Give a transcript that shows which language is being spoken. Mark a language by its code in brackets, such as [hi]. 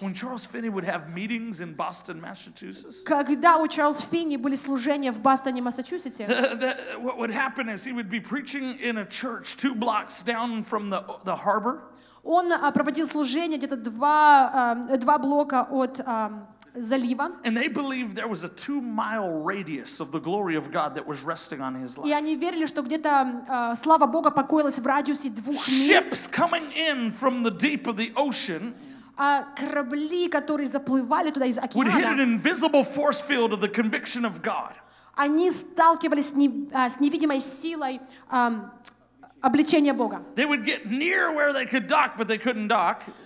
[en] When Charles Finney would have meetings in Boston, Massachusetts. [ru] Когда у Чарльза Финни были служения в Бостоне, Массачусетсе. [en] What would happen is he would be preaching in a church 2 blocks down from the harbor. [ru] Он проводил служение где-то два блока от залива. [en] And they believed there was a 2-mile radius of the glory of God that was resting on his life. [ru] И они верили, что где-то слава Бога покоилась в радиусе 2 миль. [en] Ships coming in from the deep of the ocean. [ru] А корабли, которые заплывали туда из океана. [en] Would hit an invisible force field of the conviction of God. [ru] Они сталкивались с невидимой силой обличения Бога. [en] They would get near where they could dock, but they couldn't dock.